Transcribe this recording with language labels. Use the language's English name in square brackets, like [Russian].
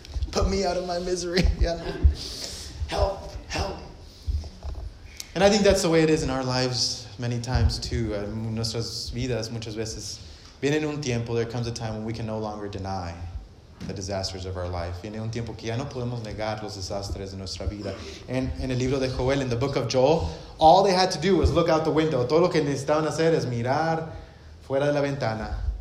[English] Put me out of my misery. Help. Help." And I think that's the way it is in our lives many times too. [Spanish] En nuestras vidas muchas veces. Viene un tiempo, [English] there comes a time when we can no longer deny the disasters of our life. [Spanish] Viene un tiempo que ya no podemos negar los desastres de nuestra vida. [English] And in [Spanish] el libro de Joel, [English] in the book of Joel, all they had to do was look out the window. [Spanish] Todo lo que necesitaban hacer es mirar fuera de la ventana.